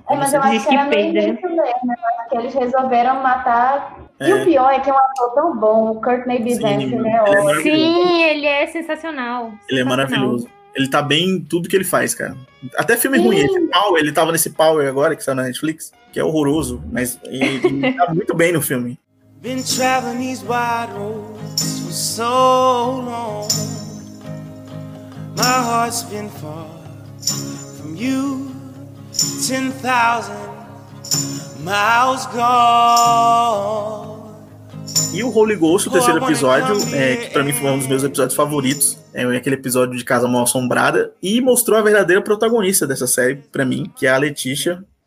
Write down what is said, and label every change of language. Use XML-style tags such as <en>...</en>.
<pt>É, mas eu acho que era meio isso mesmo, né? Que eles resolveram matar. É. E o pior é que é um ator tão bom, o Courtney B. Vance, né? Sim, ele é sensacional. Ele é maravilhoso. Ele tá bem em tudo que ele faz, cara. Até filme ruim. Ele tava nesse Power agora, que saiu na Netflix, que é horroroso, mas ele tá muito bem no filme.</pt> <en>Been traveling these wide roads for so long. My heart's been far from you 10,000 miles gone.</en> <pt>E o Holy Ghost, o terceiro episódio, que pra mim foi um dos meus episódios favoritos. É aquele episódio de Casa Mal-Assombrada. E mostrou a verdadeira protagonista dessa série pra mim, que é a Letícia.</pt>